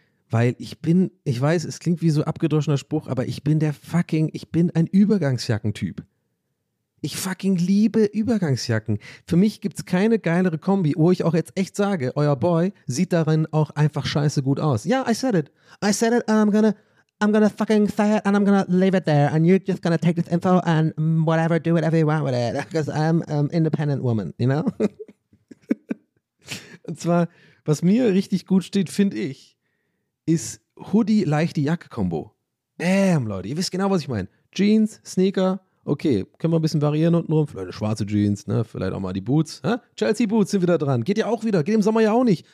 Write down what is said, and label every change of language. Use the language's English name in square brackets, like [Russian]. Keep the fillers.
[German] Weil ich bin, ich weiß, es klingt wie so abgedroschener Spruch, aber ich bin der fucking, ich bin ein Übergangsjackentyp. Ich fucking liebe Übergangsjacken. Für mich gibt es keine geilere Kombi, wo ich auch jetzt echt sage, euer Boy sieht darin auch einfach scheiße gut aus. [English] Ja, yeah, I said it. I said it and I'm gonna, I'm gonna fucking say it and I'm gonna leave it there and you're just gonna take this info and whatever, do whatever you want with it because I'm an um, independent woman, you know? [German] und zwar, was mir richtig gut steht, finde ich, ist Hoodie-leichte Jacke-Kombo. Bam, Leute, ihr wisst genau, was ich meine. Jeans, Sneaker, okay, können wir ein bisschen variieren untenrum, vielleicht eine schwarze Jeans, ne? vielleicht auch mal die Boots. Hä? Chelsea Boots sind wieder dran, geht ja auch wieder, geht im Sommer ja auch nicht.